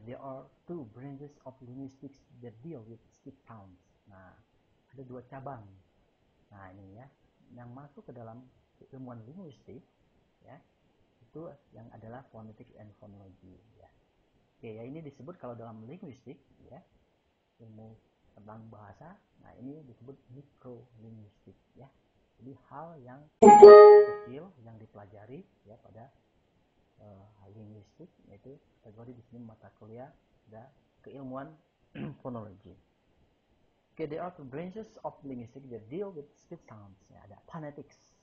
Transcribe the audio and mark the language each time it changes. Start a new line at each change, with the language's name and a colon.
English: There are two branches of linguistics that deal with speech sounds.
Indonesian: Nah, ada dua cabang. Nah, ini ya, yang masuk ke dalam ilmuwan linguistik ya, itu yang adalah phonetics and phonology ya. Oke, ya ini disebut kalau dalam linguistik ya, ilmu tentang bahasa. Nah, ini disebut microlinguistik ya. Jadi hal yang kecil yang dipelajari ya pada linguistik, yaitu kategori di sini mata kuliah ada keilmuan fonologi.
English: Okay, there are two branches of linguistics that deal with speech sounds.
Indonesian: Ya, ada
English: phonetics.